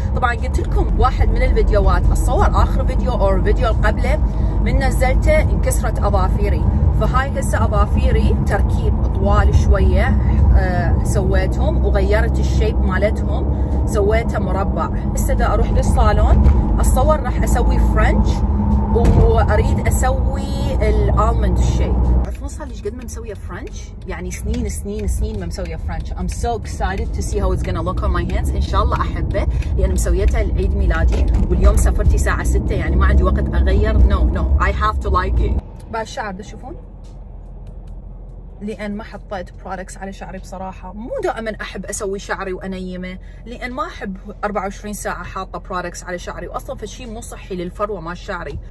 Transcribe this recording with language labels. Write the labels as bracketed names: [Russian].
[Arabic] طبعا قلت لكم واحد من الفيديوهات اصور اخر فيديو او الفيديو القبله من نزلته انكسرت اظافيري، فهاي هسه اظافيري تركيب طوال شويه سويتهم وغيرت الشيب مالتهم سويته مربع. هسه دا اروح للصالون اصور راح اسوي فرنش واريد اسوي الالموند شيب. صار ليش قد ما مسويه فرنش، يعني سنين سنين سنين ما مسويه فرنش. [English] I'm so excited to see how it's gonna look on my hands. [Arabic] ان شاء الله احبه، لان يعني مسويتها لعيد ميلادي واليوم سافرتي الساعه 6، يعني ما عندي وقت اغير. [English] No, I have to like it. [Arabic] بعد الشعر تشوفون، لان ما حطيت برودكتس على شعري بصراحه، مو دائما احب اسوي شعري وانيمه، لان ما احب 24 ساعه حاطه برودكتس على شعري، واصلا فشي مو صحي للفروه مال شعري.